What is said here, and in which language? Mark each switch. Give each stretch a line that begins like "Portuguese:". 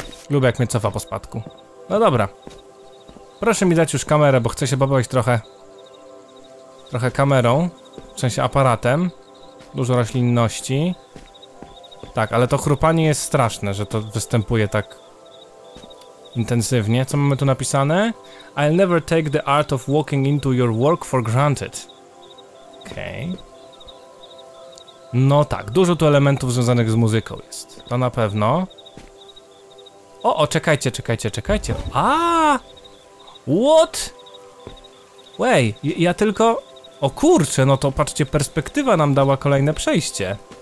Polish: Lubię, jak mnie cofa po spadku. No dobra. Proszę mi dać już kamerę, bo chcę się bawić trochę... trochę kamerą. W sensie aparatem. Dużo roślinności. Tak, ale to chrupanie jest straszne, że to występuje tak... intensywnie. Co mamy tu napisane?
English: I'll never take the art of walking into your work for granted.
Polish: Okej. No tak, dużo tu elementów związanych z muzyką jest. To na pewno. O, o, czekajcie, czekajcie, czekajcie. A!
English: What?
Polish: Wej, ja tylko... O kurczę, no to patrzcie, perspektywa nam dała kolejne przejście.